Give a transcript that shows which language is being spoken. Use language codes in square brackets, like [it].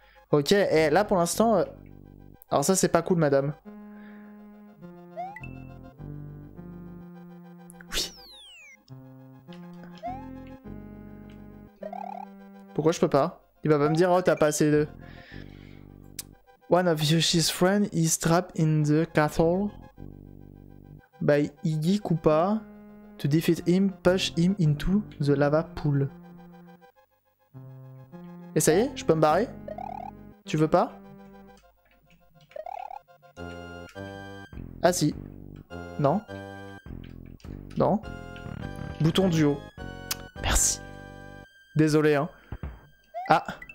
[fr] Ok, et là pour l'instant... Alors ça, c'est pas cool, madame. Oui. Pourquoi je peux pas? Il va pas me dire, oh, t'as pas assez de... [en] One of Yoshi's friends is trapped in the castle. By Iggy Koopa. To defeat him, push him into the lava pool. [fr] Et ça y est, je peux me barrer? Tu veux pas? Ah si. Non. Non. Bouton du haut. Merci. Désolé, hein. Ah.